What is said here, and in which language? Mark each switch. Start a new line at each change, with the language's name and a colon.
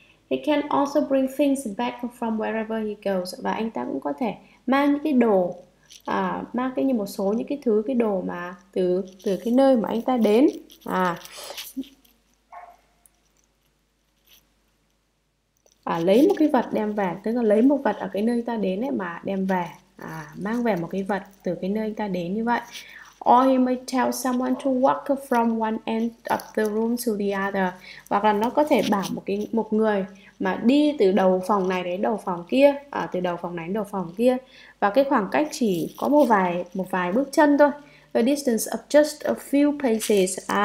English: He can also bring things back from wherever he goes,
Vietnamese: và anh ta cũng có thể mang những cái đồ, mang cái như một số những cái thứ, cái đồ mà từ từ cái nơi mà anh ta đến. Lấy một cái vật đem về, tức là lấy một vật ở cái nơi ta đến ấy mà đem về, mang về một cái vật từ cái nơi anh ta đến như vậy.
English: Or he may tell someone to walk from one end of the room to the other.
Vietnamese: Hoặc là nó có thể bảo một người mà đi từ đầu phòng này đến đầu phòng kia, từ đầu phòng này đến đầu phòng kia, và cái khoảng cách chỉ có một vài bước chân thôi.
English: A distance of just a few paces.